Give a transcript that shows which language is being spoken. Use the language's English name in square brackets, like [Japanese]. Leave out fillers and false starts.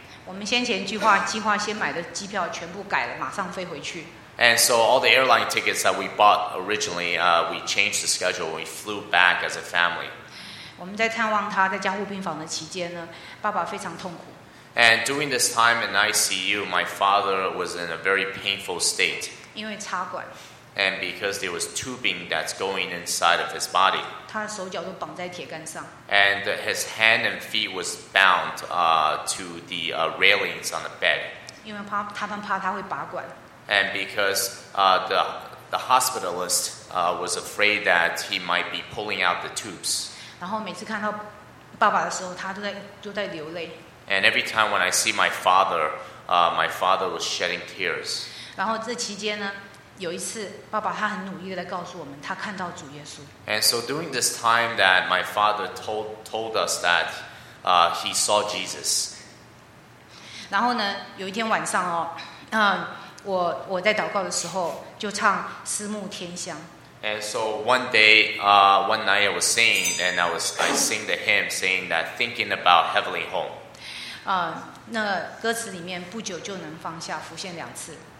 [Chinese] 我们先前计划先买的机票全部改了，马上飞回去。 [English] And so all the airline tickets that we bought originally, we changed the schedule and we flew back as a family. [Chinese] 我们在探望他在加护病房的期间呢，爸爸非常痛苦。 [English] And during this time in ICU, my father was in a very painful state. [Chinese] 因为插管。 [English] And because there was tubing that's going inside of his body. [Chinese] 他的手脚都绑在铁杆上。 [English] And his hand and feet was bound to the railings on the bed. [Chinese] 因为他们怕他会拔管。 [English] And because the hospitalist was afraid that he might be pulling out the tubes. [Chinese] 然后每次看到爸爸的时候，他都在流泪。 [English] And every time when I see my father, my father was shedding tears. [Chinese] 然后这期间呢，有一次爸爸他很努力地来告诉我们，他看到主耶稣。 [English] And so during this time that my father told us that he saw Jesus. [Chinese] 然后呢，有一天晚上哦，我在祷告的时候就唱《思慕天香》。 [English] And so one night I was singing, and I sing the hymn saying that thinking about heavenly home. [Chinese] 那歌词里面不久就能放下浮现两次。